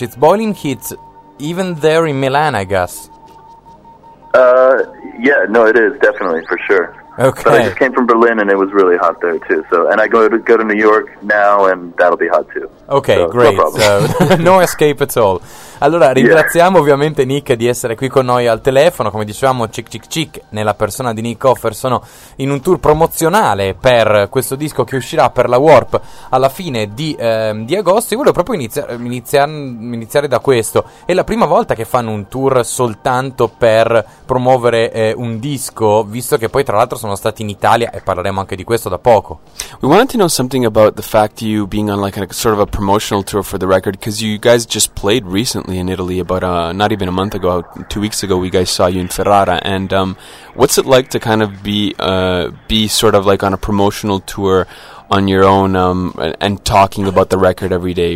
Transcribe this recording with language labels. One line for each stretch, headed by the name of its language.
English: It's boiling heat, even there in Milan, I guess. Yeah. No, it is definitely for sure. Okay. But I just came from Berlin, and it was really hot there too. So, and I go to New York now, and that'll be hot too. Okay, so, great. No, no escape at all.
Italian: Allora, ringraziamo ovviamente Nick di essere qui con noi al telefono. Come dicevamo, Chic Chic Chic, nella persona di Nick Offer, sono in un tour promozionale per questo disco che uscirà per la Warp alla fine di agosto. E volevo proprio iniziare da questo. È la prima volta che fanno un tour soltanto per promuovere un disco, visto che poi tra l'altro sono stati in Italia e parleremo anche di questo da poco.
English: We wanted to know something about the fact you being on like a sort of a promotional tour for the record, because you guys just played recently in Italy about not even a month ago, 2 weeks ago. We guys saw you in Ferrara, and what's it like to kind of be sort of like on a promotional tour on your own and talking about the record every day?